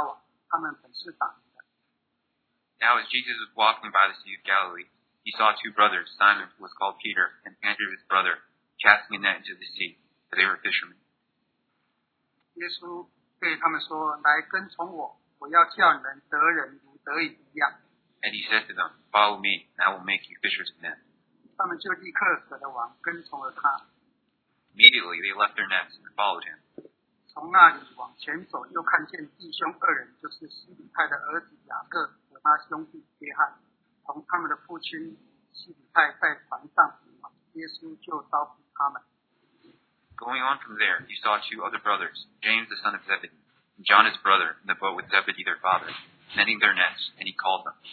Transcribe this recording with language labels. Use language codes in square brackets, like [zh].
[zh] 耶稣在加利利海边行走，看见弟兄二人，就是那称为称呼彼得的西门和他兄弟安德烈，在海里撒网，他们本是打鱼的。Now, [en] as Jesus was walking by the Sea of Galilee, he saw two brothers, Simon, who was called Peter, and Andrew, his brother, casting a net into the sea. They were fishermen. [zh] 耶稣对他们说：“来跟从我，我要叫你们得人如得鱼一样。” [en] And he said to them, "Follow me, and I will make you fishers of men." [zh] 他们就立刻舍了网，跟从了他。 [en] Immediately they left their nets and followed him. [zh] 从那里往前走，又看见弟兄二人，就是西比泰的儿子雅各和他兄弟约翰，同他们的父亲西比泰在船上。耶稣就招呼他们。 [en] Going on from there, he saw two other brothers, James the son of Zebedee, and John his brother, in the boat with Zebedee their father, mending their nets, and he called them.